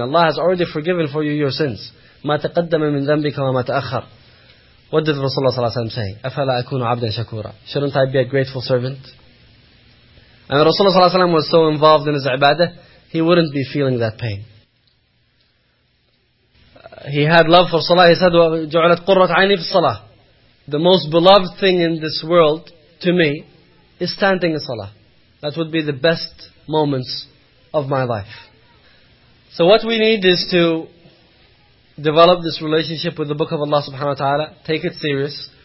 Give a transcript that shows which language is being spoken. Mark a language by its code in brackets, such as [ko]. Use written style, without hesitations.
[en] Allah has already forgiven for you your sins. [ar] مَا تَقَدَّمَ مِنْ ذَنْبِكَ وَمَا تَأَخَّرَ. [en] What did Rasulullah sallallahu alayhi wa sallam say? [ar] أَفَلَا أَكُونُ عَبْدًا شَكُورًا. [en] Shouldn't I be a grateful servant? And Rasulullah sallallahu alayhi wa sallam was so involved in his ibadah, he wouldn't be feeling that pain. He had love for salah. He said, [ar] جُعْلَتْ قُرَّةْ عَيْنِي فِي الصَّلَاةِ. [en] The most beloved thing in this world to me is standing in salah. That would be the best moments of my life. So what we need is to develop this relationship with the book of Allah subhanahu wa ta'ala, take it serious.